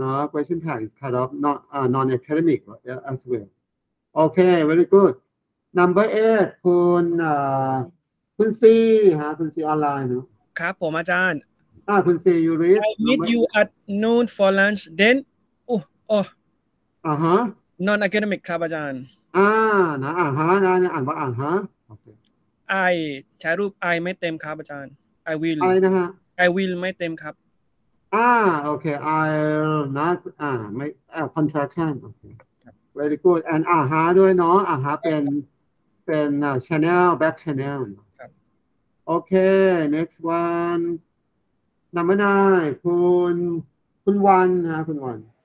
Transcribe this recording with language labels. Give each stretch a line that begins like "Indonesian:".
English: question tag is cut off, not non-academic as well. Okay, very good. Number 8,
Thai: คุณคุณซีฮะคุณซีออนไลน์เนาะ ครับผมอาจารย์
English: คุณซี you read I meet you at noon for lunch then
Thai: อ่าฮะ
English: non academic
Thai: ครับอาจารย์ นะอ่าฮะนะอ่านว่าอ่าฮะโอเค I ใช้รูป I ไม่เต็มครับอาจารย์
English: I will
Thai: I นะฮะ
English: I will
Thai: ไม่เต็มครับ โอเค I'll นะไม่contraction โอเค
English: very good
Thai: and อ่าฮะด้วยเนาะอ่าฮะเป็น
English: channel back channel
Thai: โอเค
English: next one number 9
Thai: คุณวันนะคุณวัน